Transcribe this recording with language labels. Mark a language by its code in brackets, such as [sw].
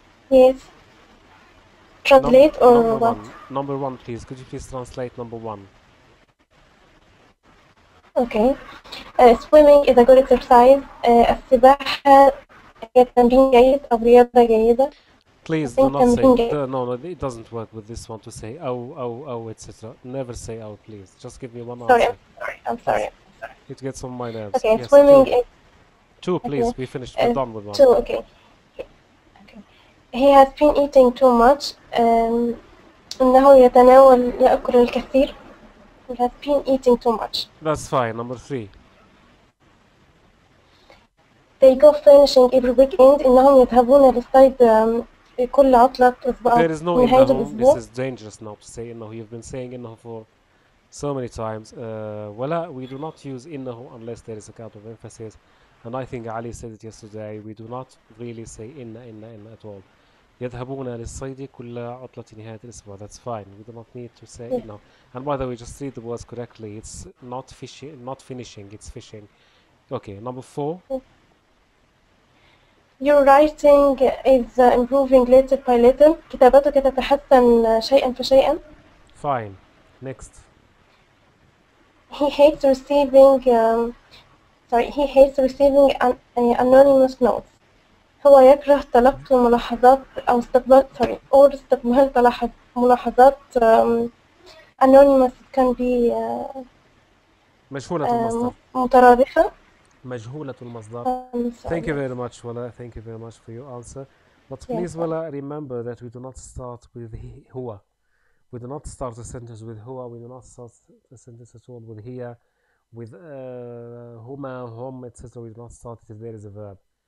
[en] Yes. Translate or number what? One. Number one, please. Could you please translate number one? Okay. Swimming is a good exercise. [ar] السباحة هي تمرين جيد أو رياضة جيدة. [en] Please do not say the, no. It doesn't work with this one to say oh, etc. Never say oh, please. Just give me one answer. Sorry. It gets on my nerves. Okay. Yes, swimming. Two, please. Okay. We finished. We're done with one. Two. Okay. He has been eating too much. [ar] إنه يتناول يأكل الكثير. [en] He has been eating too much. That's fine. Number three. They go furnishing every weekend. [ar] إنهم يذهبون للصيد كل عطلة أسبوع. [en] There is no إنهم. This is dangerous now to say إنه. You've been saying إنه for so many times. [ar] ولا, [en] we do not use إنه unless there is a kind of emphasis. And I think Ali said it yesterday. We do not really say إنه at all. [ar] يذهبون للصيد كل عطلة نهاية الأسبوع. [en] That's fine. We do not need to say yeah. No. And by the way, just read the words correctly. It's not fishing, not finishing. It's fishing. Okay. Number four. Your writing is improving little by little. كتابتك تتحسن شيئا فشيئا. Fine. Next. He hates receiving. He hates receiving anonymous notes. [ar] هو يكره تلقي ملاحظات أو استقبال استقبال ملاحظات [en] anonymous can be [ar] مجهولة المصدر مترادفة مجهولة المصدر. [en] Thank you very much, Wala. Thank you very much for your answer. But please, yes, Wala, remember that we do not start with هو. We do not start a sentence with هو. We do not start a sentence at all with هي. With هما, هم, etc. We do not start if there is a verb.